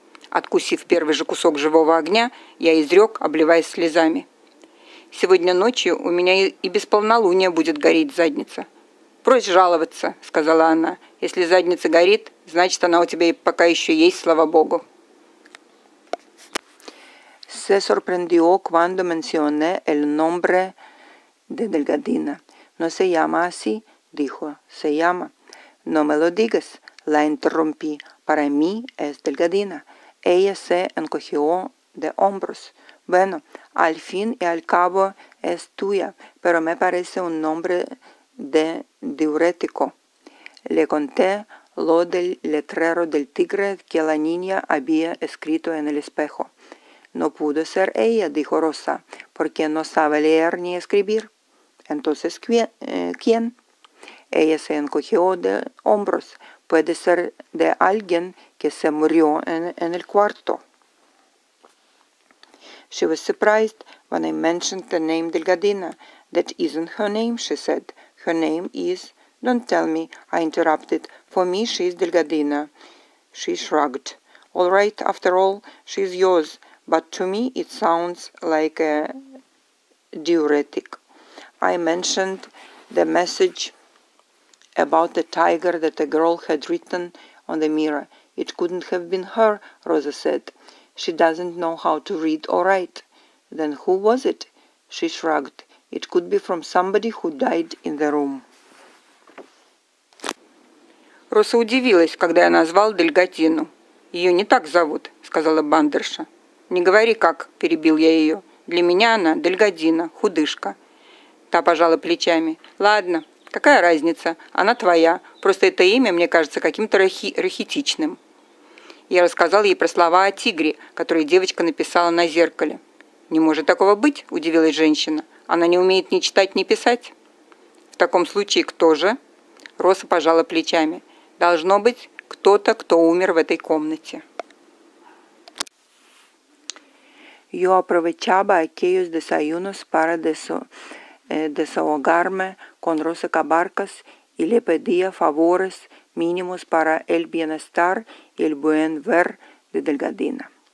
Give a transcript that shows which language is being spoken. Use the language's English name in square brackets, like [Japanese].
[Russian] Откусив первый же кусок живого огня, я изрек, обливаясь слезами: «Сегодня ночью у меня и без полнолуния будет гореть задница». «Брось жаловаться», — сказала она. «Если задница горит, значит, она у тебя пока еще есть, слава Богу». [Spanish] Se sorprendió cuando mencioné el nombre de Delgadina. No se llama así, dijo. Se llama. No me lo digas, la interrumpí. Para mí es Delgadina. Ella se encogió de hombros. Bueno, al fin y al cabo es tuya, pero me parece un nombre de diurético. Le conté lo del letrero del tigre que la niña había escrito en el espejo. No pudo ser ella, dijo Rosa, porque no sabe leer ni escribir. Entonces, ¿quién? Ella se encogió de hombros. Puede ser de alguien que se murió en el cuarto. [English] She was surprised when I mentioned the name Delgadina. That isn't her name, she said. Her name is... Don't tell me, I interrupted. For me, she is Delgadina. She shrugged. All right, after all, she is yours. But to me, it sounds like a diuretic. I mentioned the message about the tiger that a girl had written on the mirror. It couldn't have been her, Rosa said. She doesn't know how to read or write. Then who was it? She shrugged. It could be from somebody who died in the room. [Russian] Роза удивилась, когда я назвал Дельгатину. Ее не так зовут, сказала Бандерша. Не говори как, перебил я ее. Для меня она Дельгадина, худышка. Та пожала плечами. Ладно, какая разница, она твоя. Просто это имя мне кажется каким-то рахитичным. Я рассказал ей про слова о тигре, которые девочка написала на зеркале. Не может такого быть, удивилась женщина. Она не умеет ни читать, ни писать. В таком случае кто же? Роза пожала плечами. Должно быть кто-то, кто умер в этой комнате. [Spanish] Jo aprovechaba aquellos desayunos para desahogarme con Rosa Cabarcas y le pedía favores mínimos para el bienestar y el buen ver de Delgadina.